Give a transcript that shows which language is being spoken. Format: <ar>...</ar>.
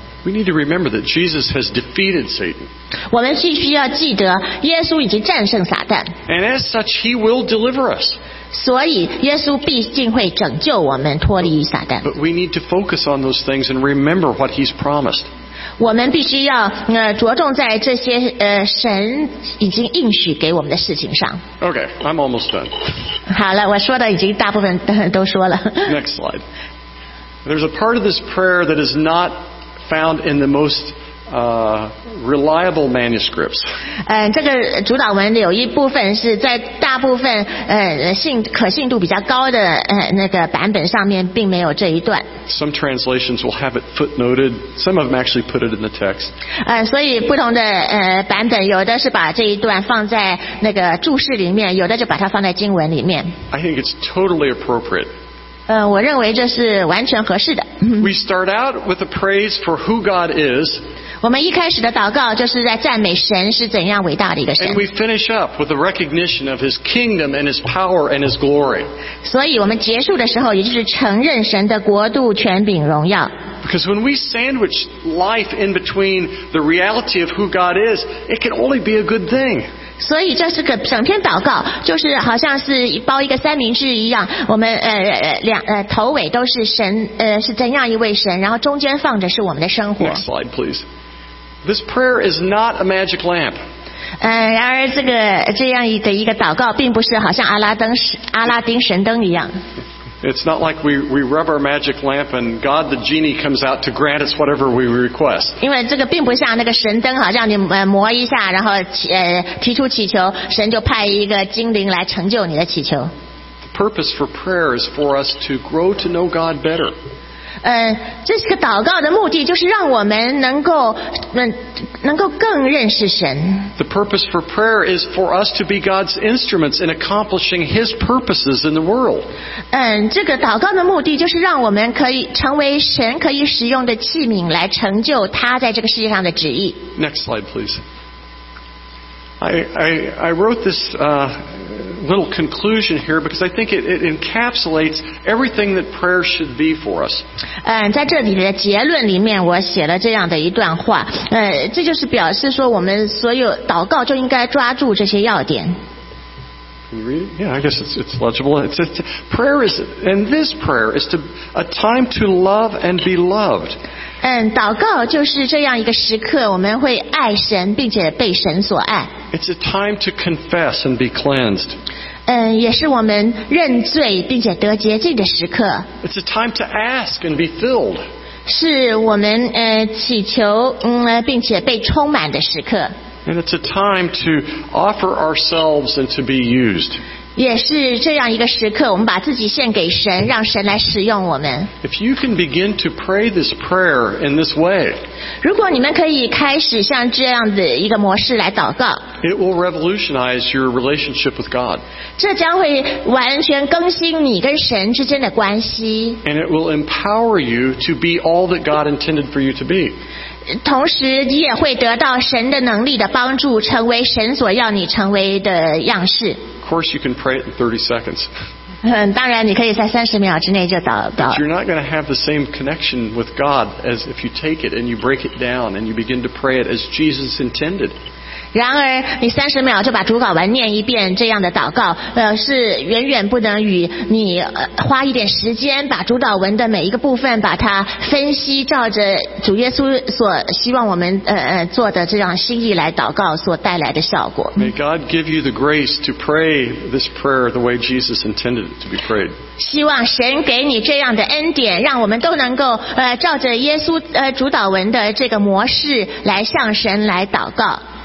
<en>We need to remember that Jesus has defeated Satan.</en> <zh>我们必须要记得，耶稣已经战胜撒旦。</zh> <en>And as such, he will deliver us.</en> <zh>所以，耶稣必定会拯救我们脱离撒旦。</zh> <en>But we need to focus on those things and remember what he's promised.</en> <zh>我们必须要着重在这些神已经应许给我们的事情上。</zh> <en>Okay, I'm almost done.</en> <zh>好了，我说的已经大部分都说了。</zh> <en>Next slide. There's a part of this prayer that is not found in the most reliable manuscripts.</en> <zh>这个主导文有一部分是在大部分可信度比较高的那个版本上面并没有这一段。</zh> <en>Some translations will have it footnoted. Some of them actually put it in the text.</en> <zh>所以不同的版本，有的是把这一段放在那个注释里面，有的就把它放在经文里面。</zh> <en>I think it's totally appropriate.</en> <zh>我认为这是完全合适的。</zh> <en>We start out with a praise for who God is.</en> <zh>我们一开始的祷告就是在赞美神是怎样伟大的一个神。</zh> <en>And we finish up with a recognition of His kingdom and His power and His glory.</en> <zh>所以我们结束的时候，也就是承认神的国度、权柄、荣耀。</zh> <en>Because when we sandwich life in between the reality of who God is, it can only be a good thing.</en> <zh>所以这是个整篇祷告，就是好像是包一个三明治一样，我们头尾都是神，是怎样一位神，然后中间放着是我们的生活。</zh> <en>Next slide, please. This prayer is not a magic lamp.</en> <zh>然而这样的一个祷告，并不是好像阿拉丁神灯一样。</zh> <en>It's not like we rub our magic lamp and God the genie comes out to grant us whatever we request.</en> <zh>因为这个并不像那个神灯，好像你磨一下，然后提出祈求，神就派一个精灵来成就你的祈求。</zh> <en>The purpose for prayer is for us to grow to know God better.</en> <zh>这是个祷告的目的，就是让我们能够能够更认识神。</zh> <en>The purpose for prayer is for us to be God's instruments in accomplishing His purposes in the world.</en> <zh>这个祷告的目的就是让我们可以成为神可以使用的器皿，来成就他在这个世界上的旨意。</zh> <en>Next slide, please. I wrote this little conclusion here because I think it encapsulates everything that prayer should be for us.</en> <zh>在这里的结论里面，我写了这样的一段话。这就是表示说，我们所有祷告就应该抓住这些要点。</zh> <en>Can you read it? Yeah, I guess it's legible. It's prayer is, and this prayer is to a time to love and be loved.</en> <zh>祷告就是这样一个时刻，我们会爱神，并且被神所爱。</zh> <en>It's a time to confess and be cleansed.</en> <zh>也是我们认罪并且得洁净的时刻。</zh> <en>It's a time to ask and be filled.</en> <zh>是我们祈求并且被充满的时刻。</zh> <en>And it's a time to offer ourselves and to be used.</en> <zh>也是这样一个时刻，我们把自己献给神，让神来使用我们。</zh> <en>If you can begin to pray this prayer in this way,</en> <zh>如果你们可以开始像这样的一个模式来祷告，</zh> <en>it will revolutionize your relationship with God.</en> <zh>这将会完全更新你跟神之间的关系。</zh> <en>And it will empower you to be all that God intended for you to be.</en> <zh>同时你也会得到神的能力的帮助，成为神所要你成为的样式。</zh> <en>Of course you can pray it in 30 seconds.</en> <zh>当然你可以在30秒之内就祷告。</zh> <en>But you're not going to have the same connection with God as if you take it and you break it down and you begin to pray it as Jesus intended.</en> <zh>然而你30秒就把主祷文念一遍，这样的祷告是远远不能与你花一点时间把主祷文的每一个部分把它分析，照着主耶稣所希望我们做的这样心意来祷告所带来的效果。</zh> <en>May God give you the grace to pray this prayer the way Jesus intended it to be prayed.</en> <zh>希望神给你这样的恩典，让我们都能够照着耶稣主祷文的这个模式来向神来祷告。</zh>